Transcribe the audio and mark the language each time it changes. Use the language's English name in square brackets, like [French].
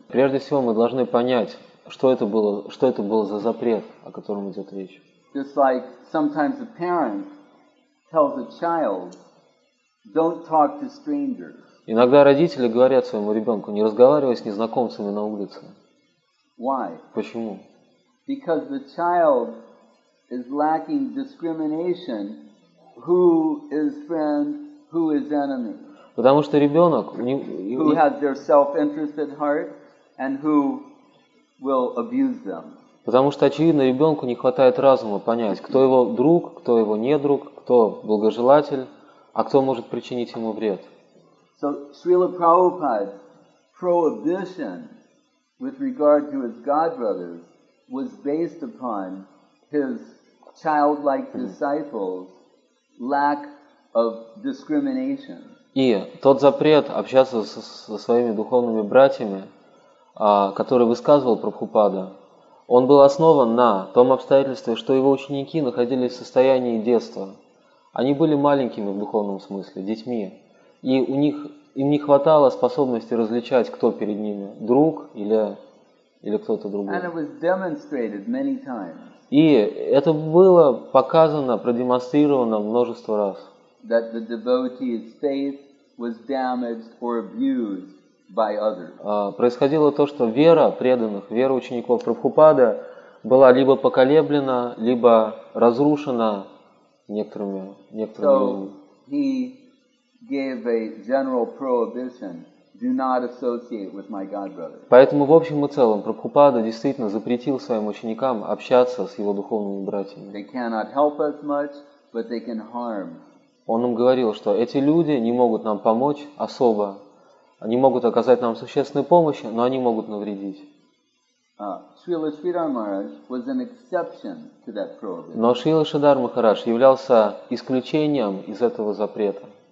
[Russian] Прежде всего, мы должны понять, Что это было за запрет, о котором идет речь? [English] Just like sometimes a parent tells a child, don't talk to strangers. [Russian] Иногда родители говорят своему ребенку, не разговаривай с незнакомцами на улице. [English] Why? [Russian] Почему? [English] Because the child is lacking discrimination, who is friend, who is enemy. [Russian] Потому что ребенок, [English] who has their self-interested heart, and who will abuse them. [Russian] Потому что очевидно, ребенку не хватает разума понять, кто его друг, кто его не друг, кто благожелатель, а кто может причинить ему вред. [English] So Srila Prabhupada's prohibition with regard to his god brothers was based upon his childlike disciples' lack of discrimination. [Russian] И тот запрет общаться со своими духовными братьями, который высказывал Прабхупада, он был основан на том обстоятельстве, что его ученики находились в состоянии детства. Они были маленькими в духовном смысле, детьми. И им не хватало способности различать, кто перед ними, друг или кто-то другой. [English] And it was demonstrated many times. [Russian] И это было показано, продемонстрировано множество раз. [English] That the devotee's faith was damaged or abused. [Russian] Происходило то, что вера преданных, вера учеников Прабхупады была либо поколеблена, либо разрушена некоторыми людьми. [English] He gave a general prohibition. Do not associate with my god brothers. [Russian] Поэтому в общем и целом Прабхупада действительно запретил своим ученикам общаться с его духовными братьями. [English] They cannot help us much, but they can harm. [Russian] Он им говорил, что эти люди не могут нам помочь особо. Они могут оказать нам существенную помощь, но они могут навредить. Но Шрила Шридхар Махарадж являлся исключением из этого запрета.